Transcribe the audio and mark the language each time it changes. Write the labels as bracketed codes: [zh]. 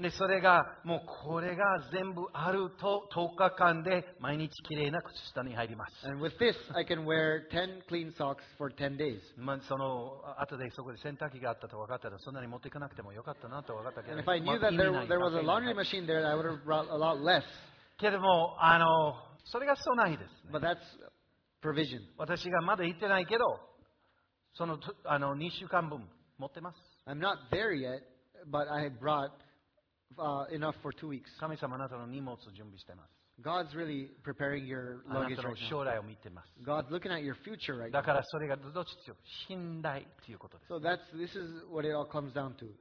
[ja] でそれがもうこれが全部あると10日間で毎日綺麗な靴下に入ります。 [en] And with this, I can wear 10 clean socks for 10 days. [ja] まあその後でそこで洗濯機があったと分かったらそんなに持っていかなくてもよかったなと分かったけど。 [en] And if I knew that there was a laundry machine there, I would have brought a lot less. [ja] けどもあのそれが備えですね。 [en] But that's Provision. [ja] 私がまだ行ってないけど、その、あの2週間分持ってます。 [en] I'm not there yet, but I brought enough for 2 weeks. [ja] 神様、あなたの荷物を準備してます。 [en] God's really preparing your luggage right now. [ja] あなたの将来を見てます。 [en] God's looking at your future right now. [ja] だからそれがどっち強い？信頼ということです。 [en] So that's this is what it all comes down to.